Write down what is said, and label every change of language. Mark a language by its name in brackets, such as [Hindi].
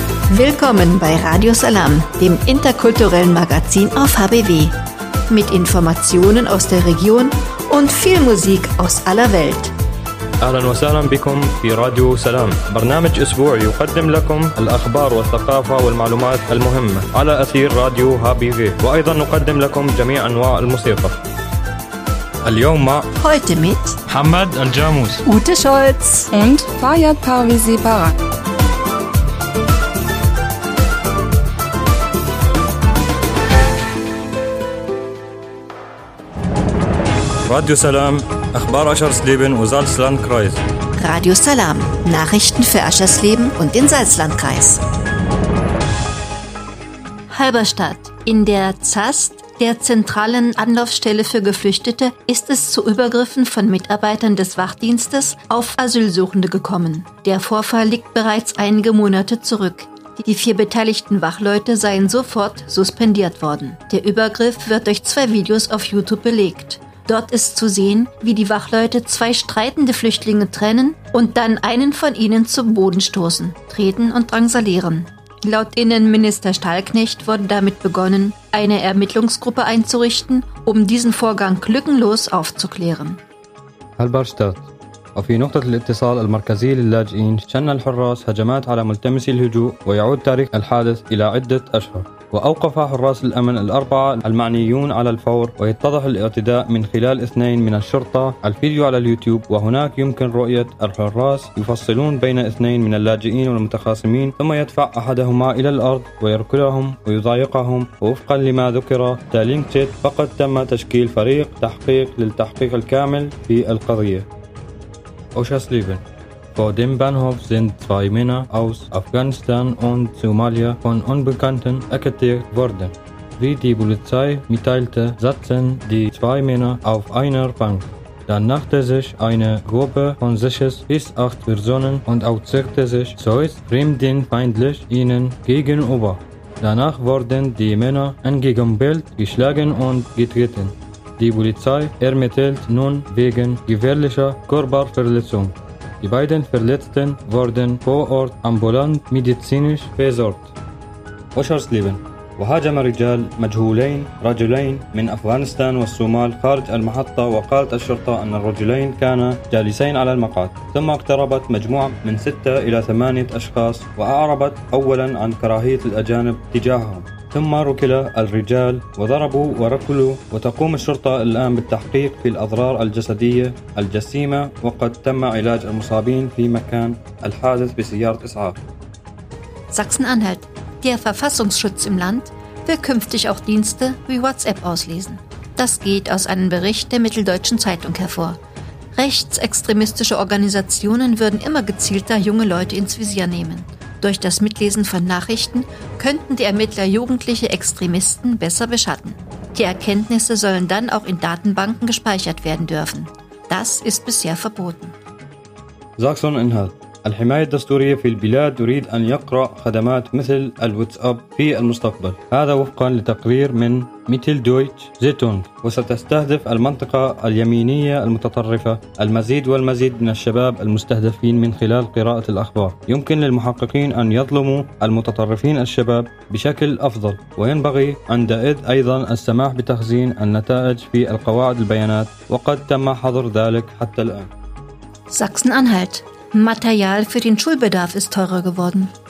[German] Willkommen bei Radio Salam, dem interkulturellen Magazin auf HBW. Mit Informationen aus der Region und viel Musik aus aller Welt. [Arabic] أهلاً وسهلاً بكم في راديو سلام برنامج أسبوع يقدم لكم الأخبار والثقافة والمعلومات المهمة على أثير راديو HBW وأيضاً نقدم لكم جميع أنواع الموسيقى اليوم مع [German] Heute mit [Arabic] محمد الجاموس [German] Ute Scholz und Fayad Parvizi Barak. [Arabic] راديو سلام أخبار أشرسليبن وزالسلاندكرايز. [German] راديو سلام Nachrichten für Aschersleben und den Salzlandkreis. Halberstadt. In der ZAST, der zentralen Anlaufstelle für Geflüchtete, ist es zu Übergriffen von Mitarbeitern des Wachdienstes auf Asylsuchende gekommen. Der Vorfall liegt bereits einige Monate zurück. Die vier beteiligten Wachleute seien sofort suspendiert worden. Der Übergriff wird durch zwei Videos auf YouTube belegt. Dort ist zu sehen, wie die Wachleute zwei streitende Flüchtlinge trennen und dann einen von ihnen zum Boden stoßen, treten und drangsalieren. Laut Innenminister Stallknecht wurde damit begonnen, eine Ermittlungsgruppe einzurichten, um diesen Vorgang lückenlos aufzuklären. Halberstadt. [Arabic] وفي نقطة الاتصال المركزية للاجئين شن الحراس هجمات على ملتمسي الهجوء ويعود تاريخ الحادث إلى عدة أشهر وأوقف حراس الأمن الأربعة المعنيون على الفور ويتضح الاعتداء من خلال اثنين من الشرطة الفيديو على اليوتيوب وهناك يمكن رؤية الحراس يفصلون بين اثنين من اللاجئين والمتخاصمين ثم يدفع أحدهما إلى الأرض ويركلهم ويضايقهم ووفقا لما ذكر تالينكتيت فقد تم تشكيل فريق تحقيق للتحقيق الكامل في القضية Oschersleben. [German] Vor dem Bahnhof sind zwei Männer aus Afghanistan und Somalia von Unbekannten attackiert worden. Wie die Polizei mitteilte, saßen die zwei Männer auf einer Bank. Dann nachte sich eine Gruppe von 6 bis 8 Personen und äußerte sich zuerst fremdenfeindlich ihnen gegenüber. Danach wurden die Männer entgegenbellt, geschlagen und getreten. Die Polizei ermittelt nun wegen gefährlicher Körperverletzung. Die beiden Verletzten wurden vor Ort ambulant medizinisch versorgt. Oschersleben. [Arabic] وهاجم رجال مجهولين رجلين من أفغانستان والصومال خارج المحطة وقالت الشرطة أن الرجلين كانا جالسين على المقعد ثم اقتربت مجموعة من 6 إلى 8 أشخاص وأعربت أولا عن كراهية الأجانب تجاههم ثم ركل الرجال وضربوا وركلوا وتقوم الشرطة الآن بالتحقيق في الأضرار الجسدية الجسيمة وقد تم علاج المصابين في مكان الحادث بسيارة إسعاف [German] Sachsen-Anhalt Der Verfassungsschutz im Land will künftig auch Dienste wie WhatsApp auslesen. Das geht aus einem Bericht der Mitteldeutschen Zeitung hervor. Rechtsextremistische Organisationen würden immer gezielter junge Leute ins Visier nehmen. Durch das Mitlesen von Nachrichten könnten die Ermittler jugendliche Extremisten besser beschatten. Die Erkenntnisse sollen dann auch in Datenbanken gespeichert werden dürfen. Das ist bisher verboten. [Arabic] Sachsen-Inhalt الحماية الدستورية في البلاد تريد أن يقرأ خدمات مثل الواتساب في المستقبل هذا وفقا لتقرير من ميتل دويتش زيتونغ وستستهدف المنطقة اليمينية المتطرفة المزيد والمزيد من الشباب المستهدفين من خلال قراءة الأخبار يمكن للمحققين أن يظلموا المتطرفين الشباب بشكل أفضل وينبغي عندئذ أيضا السماح بتخزين النتائج في القواعد البيانات وقد تم حظر ذلك حتى الآن [German] Sachsen-Anhalt Material für den Schulbedarf ist teurer geworden.